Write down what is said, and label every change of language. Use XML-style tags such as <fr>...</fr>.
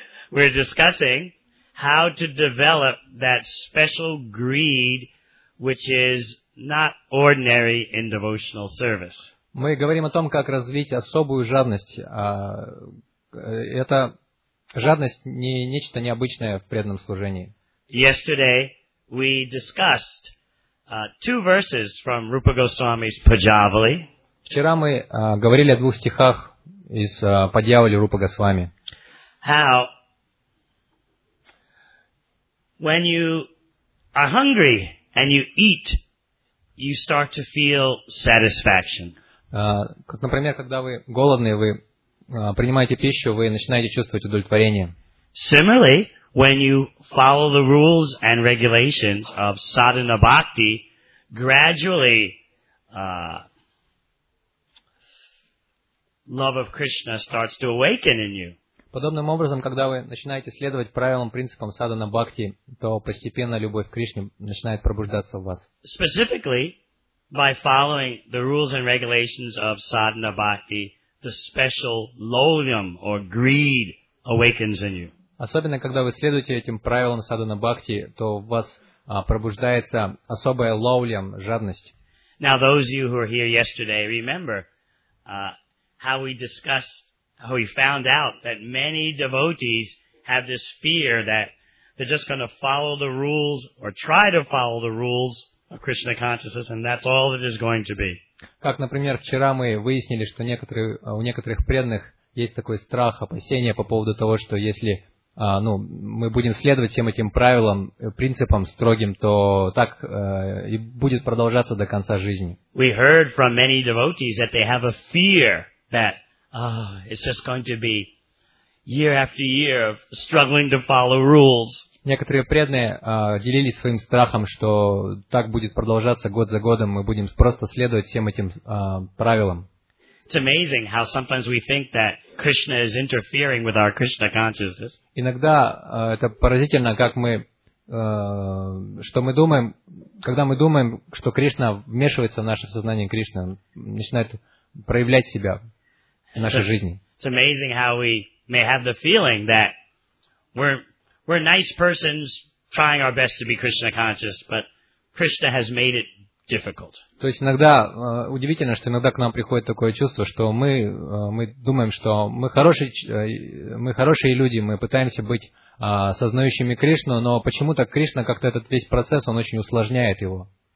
<en>We're discussing how to develop that special greed which is not ordinary in devotional service.</en> <ru>Мы говорим о том, как развить особую жадность. Это жадность не нечто необычное в преданном служении.</ru> <en>Yesterday we discussed two verses from Rupa Goswami's Pajavali.</en> <ru>Вчера мы говорили о двух стихах из Падьявали Рупа Госвами.</ru> <en>How when you are hungry and you eat, you start to feel satisfaction.</en> <ru>Например, когда вы голодны, вы принимаете пищу, вы начинаете чувствовать удовлетворение.</ru> <en>Similarly, when you follow the rules and regulations of sadhana bhakti, gradually love of Krishna starts to awaken in you.</en> <ru>Подобным образом, когда вы начинаете следовать правилам, принципам садхана бхакти, то постепенно любовь к Кришне начинает пробуждаться в вас.</ru> <en>Specifically, by following the rules and regulations of sadhana bhakti, the special lobham or greed awakens in you.</en> <ru>Особенно когда вы следуете этим правилам садхана бхакти, то в вас пробуждается особая лобham, жадность.</ru> <en>Now those of you who were here yesterday, remember how we discussed, how we found out that many devotees have this fear that they're just going to follow the rules or try to follow the rules of Krishna consciousness, and that's all it is going to be.</en> <ru>Как, например, вчера мы выяснили, что у некоторых преданных есть такой страх, опасение по поводу того, что если мы будем следовать всем этим правилам, принципам строгим, то так и будет продолжаться до конца жизни.</ru> <en>We heard from many devotees that they have a fear that it's just going to be year after year of struggling to follow rules.</en> <ru>Некоторые преданные делились своим страхом, что так будет продолжаться год за годом, мы будем просто следовать всем этим правилам.</ru> <en>It's amazing how sometimes we think that Krishna is interfering with our Krishna consciousness.</en> <ru>Иногда это поразительно, как мы что мы думаем, когда мы думаем, что Кришна вмешивается в наше сознание, Кришна начинает проявлять себя в нашей жизни.</ru> <en>It's amazing how we may have the feeling that we're nice persons trying our best to be Krishna conscious, but Krishna has made it difficult.</en> <ru>То есть иногда удивительно, что иногда к нам приходит такое чувство, что мы думаем, что мы хорошие люди, мы пытаемся быть осознающими Кришну, но почему-то Кришна как-то этот весь процесс, он очень усложняет его.</ru>